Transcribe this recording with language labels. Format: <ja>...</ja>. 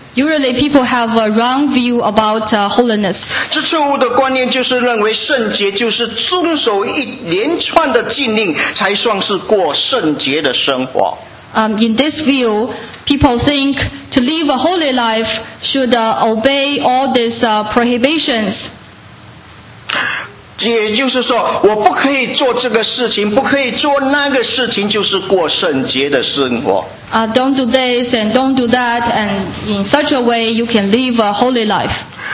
<en>Usually people have a wrong view about holiness.</en> <zh>这错误的观念就是认为圣洁就是遵守一连串的禁令才算是过圣洁的生活。</zh> <en>In this view, people think to live a holy life should obey all these prohibitions.</en> <zh>也就是说，我不可以做这个事情，不可以做那个事情，就是过圣洁的生活。</zh> <en>Don't do this and don't do that, and in such a way you can live a holy life.</en>